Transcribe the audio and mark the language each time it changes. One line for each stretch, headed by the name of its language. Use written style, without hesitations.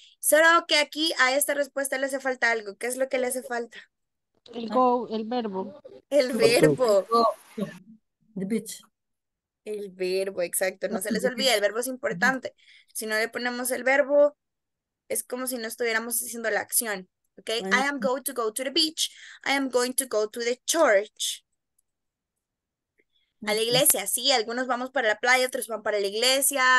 Spanish: Solo que aquí a esta respuesta le hace falta algo. ¿Qué es lo que le hace falta? El go, el verbo. El verbo.
English: The beach.
Spanish: El verbo, exacto. No se les olvide, el verbo es importante. Si no le ponemos el verbo, es como si no estuviéramos haciendo la acción.
English: Okay, I am going to go to the beach. I am going to go to the church.
Spanish: A la iglesia, sí. Algunos vamos para la playa, otros van para la iglesia.